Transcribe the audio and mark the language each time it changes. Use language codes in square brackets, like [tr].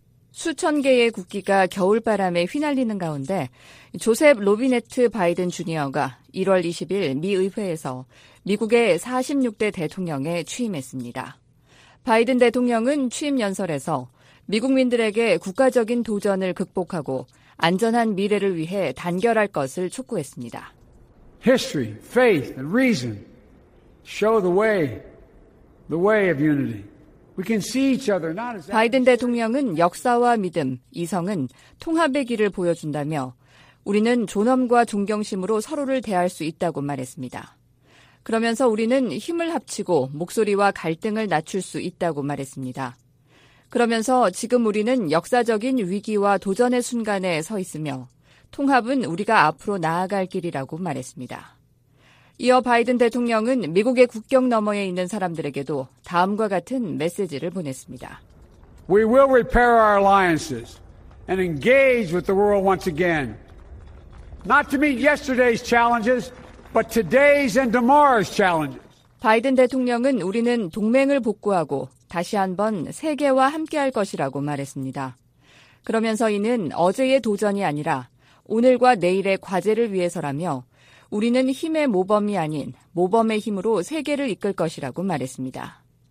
[ko] 수천 개의 국기가 겨울바람에 휘날리는 가운데 조셉 로비네트 바이든 주니어가 1월 20일 미 의회에서 미국의 46대 대통령에 취임했습니다. 바이든 대통령은 취임 연설에서 미국민들에게 국가적인 도전을 극복하고 안전한 미래를 위해 단결할 것을 촉구했습니다. [en] history, faith, and reason show the way of unity. We can see each other not as [ko] 바이든 대통령은 역사와 믿음, 이성은 통합의 길을 보여준다며 우리는 존엄과 존경심으로 서로를 대할 수 있다고 말했습니다. 그러면서 우리는 힘을 합치고 목소리와 갈등을 낮출 수 있다고 말했습니다. 그러면서 지금 우리는 역사적인 위기와 도전의 순간에 서 있으며 통합은 우리가 앞으로 나아갈 길이라고 말했습니다. 이어 바이든 대통령은 미국의 국경 너머에 있는 사람들에게도 다음과 같은 메시지를 보냈습니다. [en] We will repair our alliances and engage with the world once again. Not to meet yesterday's challenges, but today's and tomorrow's challenges. [ko] 바이든 대통령은 우리는 동맹을 복구하고 다시 한번 세계와 함께할 것이라고 말했습니다. 그러면서 이는 어제의 도전이 아니라 오늘과 내일의 과제를 위해서라며 우리는 힘의 모범이 아닌 모범의 힘으로 세계를 이끌 것이라고 말했습니다.